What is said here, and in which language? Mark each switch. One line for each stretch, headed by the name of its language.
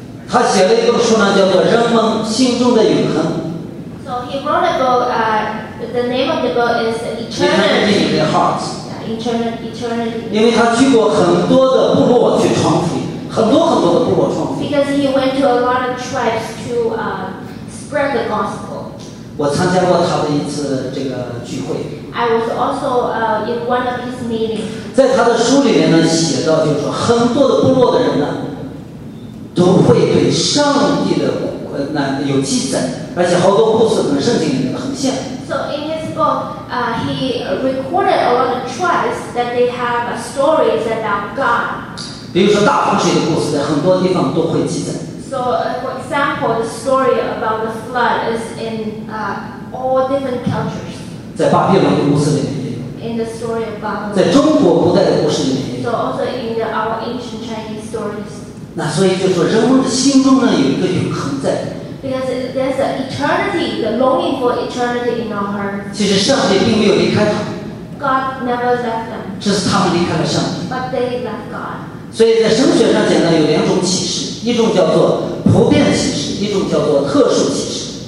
Chinese: 他写了一本书呢，叫做《人们心中的永恒》。
English: So he wrote a book. The name of the book is Eternity in the Heart. Eternity.
Chinese: 因为他去过很多的部落去传福音，很多很多的部落传福音。
English: Because he went to a lot of tribes to spread the gospel.
Chinese: 我参加过他的一次这个聚会。
English: I was also in one of his meetings.
Chinese: 在他的书里面呢，写到就是说，很多的部落的人呢，都会对上帝的那有记载，而且好多故事跟圣经里面很像。
English: So in his book. He recorded a lot of tribes that they have stories about God.
Chinese: 比如说大洪水的故事，在很多地方都会记载。
English: So, for example, the story about the flood is in all different cultures.
Chinese: 在巴比伦的故事里面。
English: In the story of Babylon.
Chinese: 在中国古代的故事里面。
English: So also in our ancient Chinese stories.
Chinese: 那所以就说，人们的心中呢有一个永恒在。
English: Because there's an eternity, the longing for eternity in our hearts.
Chinese: 其实上帝并没有离开他。
English: God never left them.
Chinese: 这是他们离开了上帝。
English: But they left God.
Chinese: 所以在神学上讲呢，有两种启示，一种叫做普遍启示，一种叫做特殊启示。